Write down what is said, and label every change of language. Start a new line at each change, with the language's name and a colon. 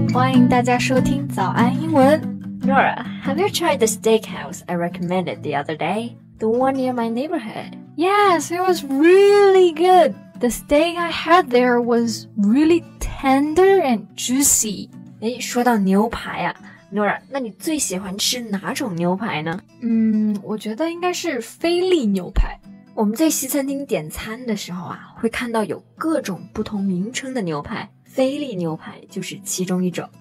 Chinese: 欢迎大家收听早安英文。
English: Nora, have you tried the steakhouse I recommended the other day? The one near my neighborhood? Yes, it was really good. The steak I had there was really tender and juicy.
Chinese: 诶，说到牛排啊，Nora, 那你最喜欢吃哪种牛排呢？我觉得应该是菲力牛排。我们在西餐厅点餐的时候啊，会看到有各种不同名称的牛排，菲力牛排就是其中一种。